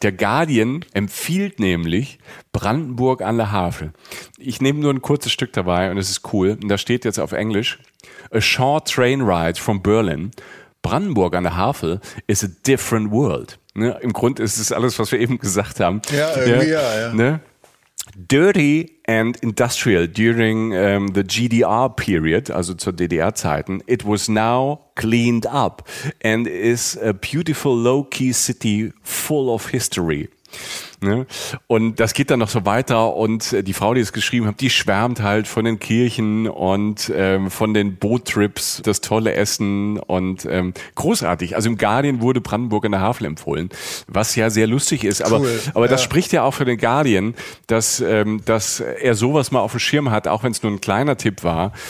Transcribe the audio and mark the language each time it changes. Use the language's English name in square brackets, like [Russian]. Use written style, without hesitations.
[German] Der Guardian empfiehlt nämlich Brandenburg an der Havel. Ich nehme nur ein kurzes Stück dabei und es ist cool. Und da steht jetzt auf Englisch, [English] a short train ride from Berlin. Brandenburg an der Havel is a different world. [German] Ne? Im Grunde ist es alles, was wir eben gesagt haben. Ja, irgendwie ja. Ne? [English] Dirty and industrial during the GDR period, [German] also zur DDR-Zeiten, [English] it was now cleaned up and is a beautiful low-key city full of history. [German] Ne? Und das geht dann noch so weiter und die Frau, die es geschrieben hat, die schwärmt halt von den Kirchen und von den Boottrips, das tolle Essen und großartig. Also im Guardian wurde Brandenburg an der Havel empfohlen, was ja sehr lustig ist. Aber cool. Aber das spricht ja auch für den Guardian, dass er sowas mal auf dem Schirm hat, auch wenn es nur ein kleiner Tipp war.